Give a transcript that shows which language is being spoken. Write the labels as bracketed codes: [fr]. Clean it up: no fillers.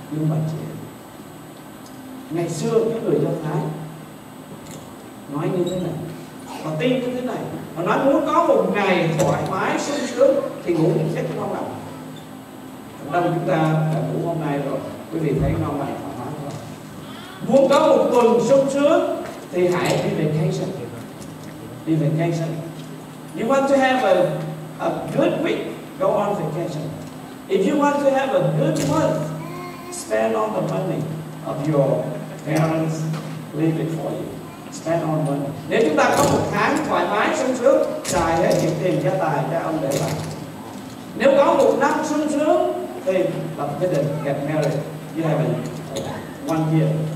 [vi] Nhưng mà chị, ngày xưa những người Do Thái nói như thế này, họ tin như thế này, họ nói muốn có một ngày thoải mái sung sướng thì ngủ một giấc ngon lành. Chúng ta đã ngủ hôm nay rồi, quý vị thấy ngon lành thoải mái rồi. Muốn có một tuần sung sướng thì hãy đi vacation, đi vacation. [en] You want to have a good week, go on vacation. If you want to have a good month, spend all the money of your parents, leave it for you. Spend all the money. [vi] Nếu chúng ta có một tháng thoải mái sung sướng, xài hết những tiền gia tài cho ông để lại. Nếu có một năm sung sướng thì lập gia đình, [en] get married, you have one year.